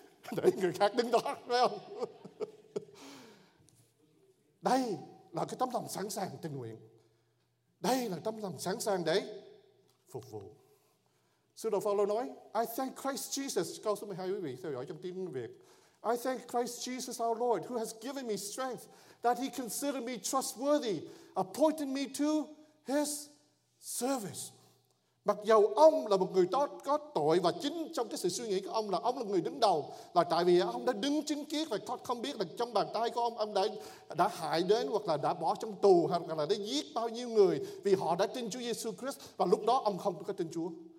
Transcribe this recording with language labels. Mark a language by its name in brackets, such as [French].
[Vietnamese] Để người khác đứng đó, phải không? Đây là cái tấm lòng sẵn sàng tình nguyện, đây là tấm lòng sẵn sàng để phục vụ. Sư đồ Phao-lô nói, [English] I thank Christ Jesus, [Vietnamese] câu số 12 quý vị theo dõi trong tiếng Việt. [English] I thank Christ Jesus our Lord who has given me strength that he considered me trustworthy, appointed me to his service. [Vietnamese] Mặc dù ông là một người tốt, có tội, và chính trong cái sự suy nghĩ của ông là ông là người đứng đầu, là tại vì ông đã đứng chứng kiến và không biết là trong bàn tay của ông đã hại đến hoặc là đã bỏ trong tù hoặc là đã giết bao nhiêu người vì họ đã tin Chúa Giê-xu Christ, và lúc đó ông không có tin Chúa.